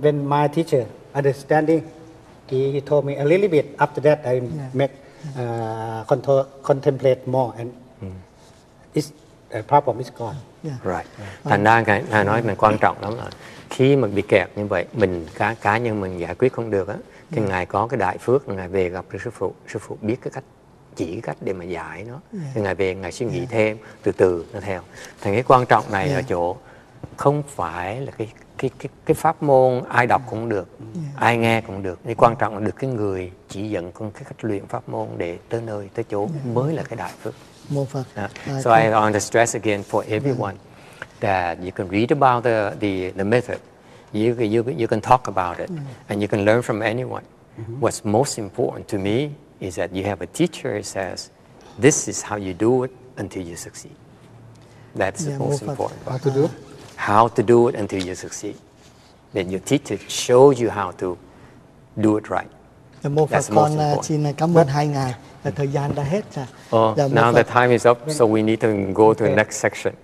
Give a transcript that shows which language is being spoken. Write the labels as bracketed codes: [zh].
[en] When my teacher understanding, he told me a little bit. After that, I contemplate more and problem is gone. Yeah. Right. [vi] Thành ra nói mình quan trọng lắm rồi. Khi mà bị kẹt như vậy, mình cá nhân mình giải quyết không được á, thì Ngài có cái đại phước, Ngài về gặp được sư phụ biết cái cách, chỉ cái cách để mà giải nó. Yeah. Ngài về, Ngài suy nghĩ thêm, từ từ nó theo. Thành cái quan trọng này ở chỗ, không phải là cái pháp môn ai đọc cũng được, ai nghe cũng được. Cái quan trọng là được cái người chỉ dẫn con cái cách luyện pháp môn để tới nơi, tới chỗ mới là cái đại phước. [en] So I want to stress again for everyone that you can read about the method, you can talk about it, and you can learn from anyone. Mm-hmm. What's most important to me is that you have a teacher who says, this is how you do it until you succeed. That's the most important part. How to do it? How to do it until you succeed. Then your teacher shows you how to do it right. [vi] Dạ, mô Phật, con xin cảm ơn hai ngài. Thời gian đã hết rồi. [en] Now the time is up, so we need to go to the next section.